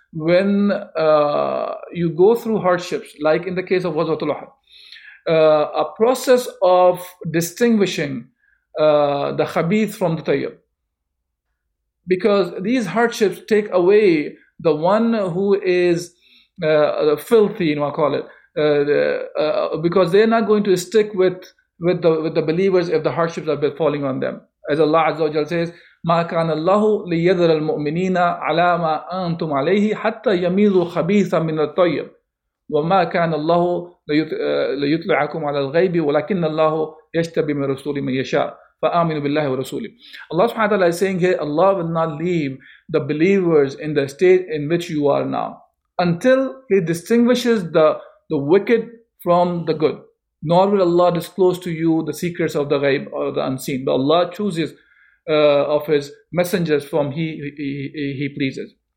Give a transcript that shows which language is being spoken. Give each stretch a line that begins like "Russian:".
English: When you go through hardships, like in the case of Ghazwatul Uhud, a process of distinguishing the khabith from the tayyib. Because these hardships take away the one who is filthy, you know, I call it, because they're not going to stick with the believers if the hardships are falling on them. As Allah Azza wa Jalla says,
Arabic: ما كان الله ليذر المؤمنين على ما أنتم عليه حتى يميزوا خبيثا من الطيب وما كان الله ليطلعكم على الغيب ولكن الله يشتبي من رسول من يشاء فآمنوا بالله ورسوله.
English: Allah subhanahu wa ta'ala is saying here, Allah will not leave the believers in the state in which you are now until He distinguishes the wicked from the good. Nor will Allah disclose to you the secrets of the ghaib or the unseen. But Allah chooses of His messengers from He pleases.